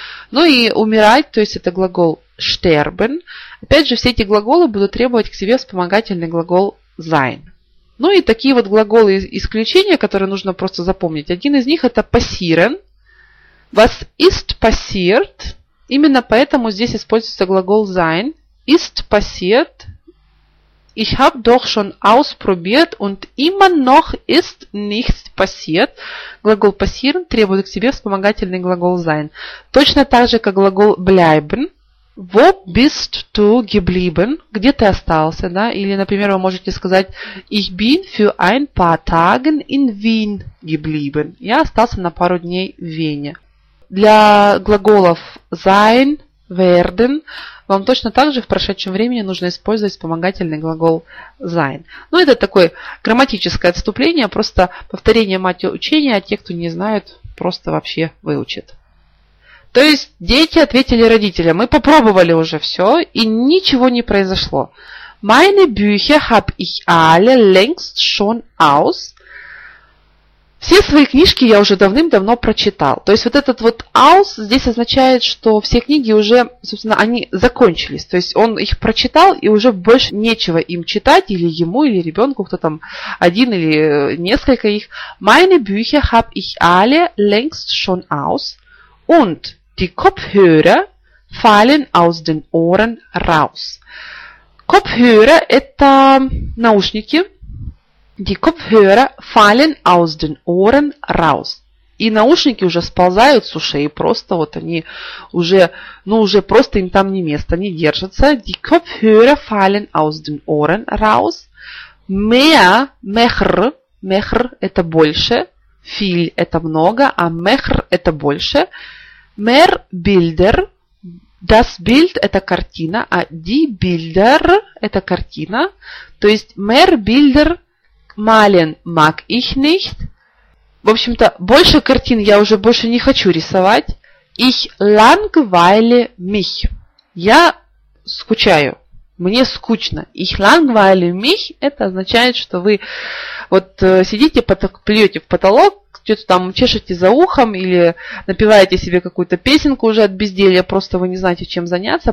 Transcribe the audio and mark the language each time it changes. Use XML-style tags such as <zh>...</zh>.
<ru>Ну и умирать, то есть это глагол sterben. Опять же, все эти глаголы будут требовать к себе вспомогательный глагол sein. Ну и такие вот глаголы исключения, которые нужно просто запомнить. Один из них это passieren.</ru> <de>Was ist passiert?</de> <ru>Именно поэтому здесь используется глагол sein.</ru> <de>Ist passiert. Ich habe doch schon ausprobiert und immer noch ist nichts passiert.</de> <ru>Глагол passieren требует к себе вспомогательный глагол sein. Точно так же, как глагол bleiben.</ru> <de>Wo bist du geblieben?</de> <ru>Где ты остался? Да? Или, например, вы можете сказать</ru> <de>Ich bin für ein paar Tage in Wien geblieben.</de> <ru>Я остался на пару дней в Вене. Для глаголов sein, werden вам точно так же в прошедшем времени нужно использовать вспомогательный глагол sein. Ну, это такое грамматическое отступление, просто повторение мать учения, а те, кто не знают, просто вообще выучат. То есть, дети ответили родителям, мы попробовали уже все, и ничего не произошло.</ru> <de>Meine Bücher habe ich alle längst schon aus.</de> <ru>Все свои книжки я уже давным-давно прочитал. То есть вот этот вот aus здесь означает, что все книги уже, собственно, они закончились. То есть он их прочитал, и уже больше нечего им читать, или ему, или ребенку, кто там один или несколько их.</ru> <de>Meine Bücher habe ich alle längst schon aus. Und die Kopfhörer fallen aus den Ohren raus.</de> <ru>Kopfhörer – это наушники.</ru> <de>Die Kopfhörer fallen aus den Ohren raus.</de> <ru>И наушники уже сползают с ушей, просто вот они уже, ну уже просто им там не место, они держатся.</ru> <de>Die Kopfhörer fallen aus den Ohren raus.</de> <ru>Mehr, mehr, mehr – это больше. Viel – это много, а mehr – это больше. Mehr Bilder – das Bild – это картина, а die Bilder – это картина. То есть</ru> <de>mehr Bilder – Malen mag ich nicht.</de> <ru>В общем-то, больше картин я уже больше не хочу рисовать.</ru> <de>Ich langweile mich.</de> <ru>Я скучаю. Мне скучно.</ru> <de>Ich langweile mich.</de> <ru>Это означает, что вы вот сидите, плюете в потолок, что-то там чешете за ухом или напеваете себе какую-то песенку уже от безделья, просто вы не знаете, чем заняться.</ru>